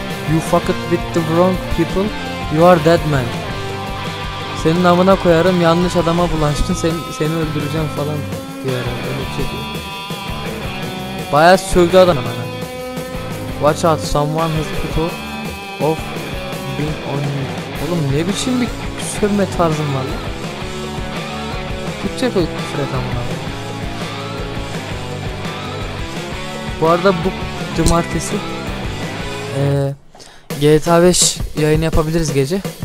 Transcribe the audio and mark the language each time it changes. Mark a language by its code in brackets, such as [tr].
[en] You fucked with the wrong people. You are dead man. [tr] Senin namına koyarım yanlış adama bulaştın seni öldüreceğim falan diyor herhalde öyle şey diyor. Bayağı sövdü adam hemen. [en] Watch out someone has put off being on you. [tr] Oğlum ne biçim bir sövme tarzım var lan. Türkçe küfür et amına. Bu arada bu cumartesi GTA 5 yayını yapabiliriz gece.